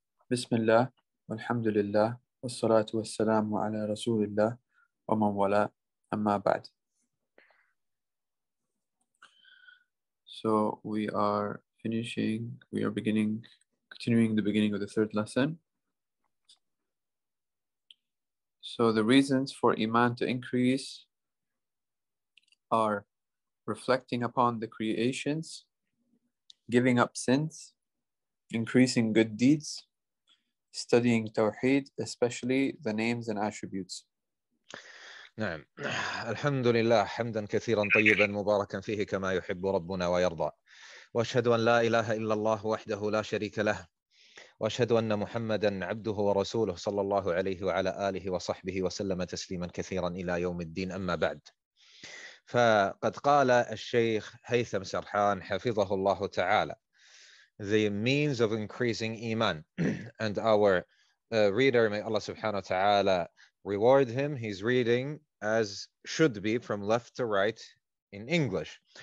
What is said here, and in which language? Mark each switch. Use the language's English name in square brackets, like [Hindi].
[Arabic] بسم الله والحمد لله والصلاة والسلام على رسول الله ومن والاه. أما بعد, [English] so we are finishing, we are beginning, continuing the beginning of the third lesson. So the reasons for Iman to increase are reflecting upon the creations, giving up sins, increasing good deeds, studying Tawheed, especially the names and attributes. [Arabic] نعم الحمد لله حمدا كثيرا طيبا مباركا فيه كما يحب ربنا ويرضى وأشهد أن لا إله إلا الله وحده لا شريك له وأشهد أن محمدا عبده ورسوله صلى الله عليه وعلى آله وصحبه وسلم تسليما كثيرا إلى يوم الدين. أما بعد, فقد قال الشيخ هيثم سرحان حفظه الله تعالى, [English] the means of increasing Iman, and our reader, may Allah subhanahu wa ta'ala reward him, he's reading as should be from left to right in English.